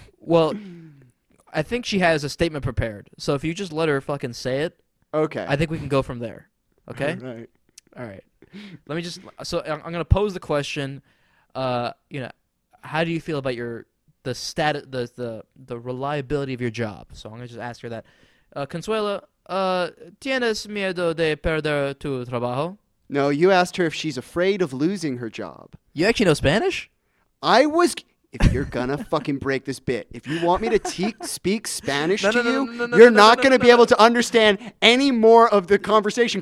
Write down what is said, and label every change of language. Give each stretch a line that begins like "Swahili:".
English: Well, I think she has a statement prepared. So if you just let her fucking say it, okay. I think we can go from there. Okay? All right. All right. Let me just – so I'm going to pose the question, you know, how do you feel about the reliability of your job? So I'm going to just ask her that.
Spanish: Consuela, ¿tienes miedo de perder tu trabajo?
English: No, you asked her if she's afraid of losing her job. You actually know Spanish? I was – if you're going to fucking break this bit, if you want me to speak Spanish to you, you're not going to be able to understand any more of the conversation.